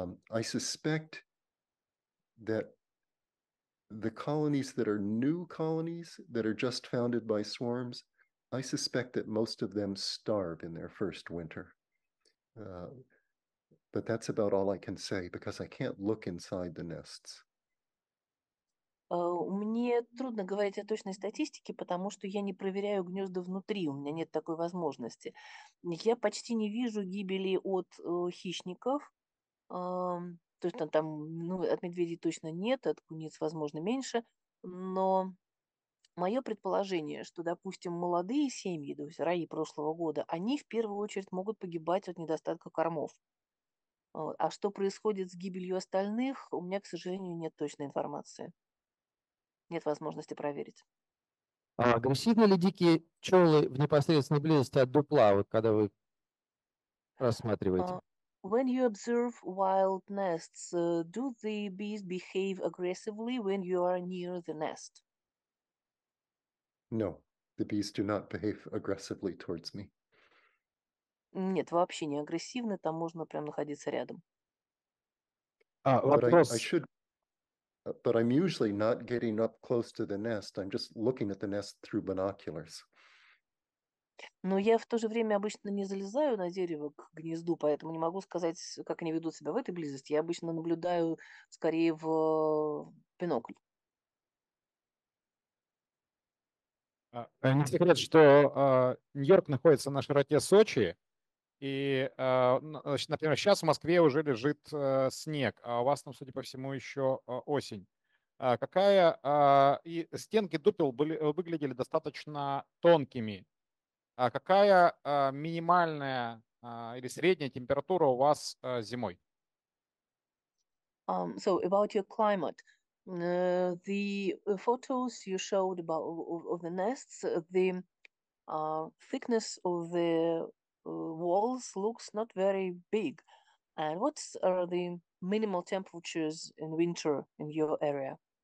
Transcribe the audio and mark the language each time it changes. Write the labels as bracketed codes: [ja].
[en] I suspect that the colonies that are new colonies that are just founded by swarms, I suspect that most of them starve in their first winter. But that's about all I can say because I can't look inside the nests. [ru] Мне трудно говорить о точной статистике, потому что я не проверяю гнезда внутри, у меня нет такой возможности. Я почти не вижу гибели от хищников, то есть там, ну, от медведей точно нет, от куниц, возможно, меньше, но мое предположение, что, допустим, молодые семьи, то есть раи прошлого года, они в первую очередь могут погибать от недостатка кормов. А что происходит с гибелью остальных, у меня, к сожалению, нет точной информации. Нет возможности проверить. А агрессивны ли дикие пчелы в непосредственной близости от дупла, вот когда вы рассматриваете? [en] When you observe wild nests, do the bees behave aggressively when you are near the nest? No, the bees do not behave aggressively towards me. [ru] Нет, вообще не агрессивны, там можно прям находиться рядом. А, вопрос. [en] But I'm usually not getting up close to the nest. I'm just looking at the nest through binoculars. [ru] Но я в то же время обычно не залезаю на дерево к гнезду, поэтому не могу сказать, как они ведут себя в этой близости. Я обычно наблюдаю скорее в бинокль. Не секрет, что Нью-Йорк находится на широте Сочи. И, значит, например, сейчас в Москве уже лежит снег, а у вас там, судя по всему, еще осень. Какая и стенки дупел выглядели достаточно тонкими. А какая минимальная или средняя температура у вас зимой? [en] So about your climate, the photos you showed about of the nests, the thickness of the walls looks not very big. And what are the minimal temperatures in winter in your area?